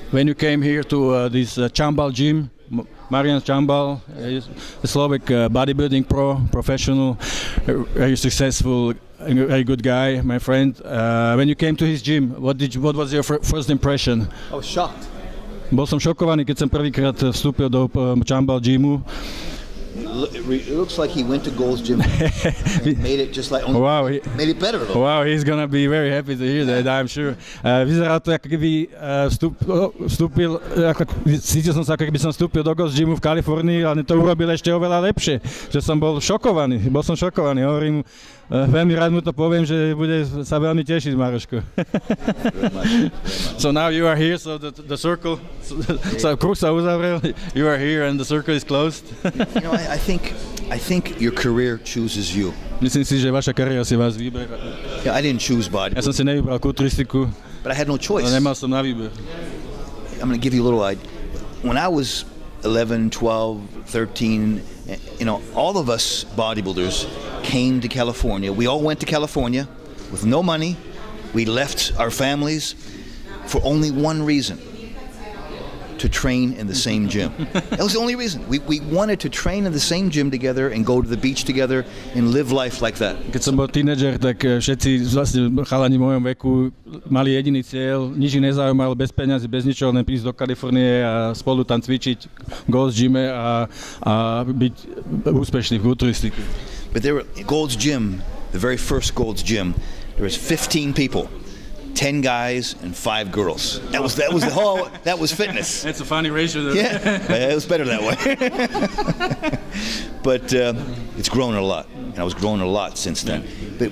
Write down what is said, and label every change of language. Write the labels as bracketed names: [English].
[English] When you came here to this Chambal gym, Marian Chambal, a Slovak bodybuilding pro, professional, very successful, very good guy, my friend. When you came to his gym, what was your first impression? I was shocked. [Slovak] Bol som šokovaný, keď som prvýkrát vstúpil do Chambal gymu. [English] It looks like he went to Gold's gym and made it just like only wow, made it better. Though. Wow, he's gonna be very happy to hear that, I'm sure. [Slovak] Vyzerá to, ako keby vstúpil, cítil som sa, ako keby som vstúpil do Gold's gymu v Kalifornii, ale to urobil ešte oveľa lepšie, že som bol šokovaný. Bol som šokovaný, hovorím, veľmi rád mu to poviem, že bude sa veľmi tešiť, Maroško. [English] So now you are here, so the circle, so [Slovak] kruh sa uzavrel, [English] you are here and the circle is closed. I think your career chooses you. [Slovak] Myslím si, že vaša kariéra si vás vyberá. [English] Yeah, I didn't choose body. [Slovak] Ja som si nevybral kulturistiku. [English] But I had no choice. [Slovak] Ale nemal som na výber. [English] I'm going to give you a little idea. When I was 11, 12, 13, you know, all of us bodybuilders came to California. We all went to California with no money. We left our families for only one reason: to train in the same gym. That was the only reason. We wanted to train in the same gym together and go to the beach together and live life like that. [Slovak] Keď som bol tínedžer, tak všetci vlastne chalani v mojom veku mali jediný cieľ, nič ich nezaujímalo, bez peňazí, bez ničoho, len prísť do Kalifornie a spolu tam cvičiť v Gold's Gyme a byť úspešný v kulturistike. [English] But there were Gold's Gym, the very first Gold's Gym, there was 15 people. 10 guys and 5 girls. That was the whole, that was fitness. That's a funny ratio. Yeah, it was better that way. But it's grown a lot, and I was growing a lot since then. Yeah.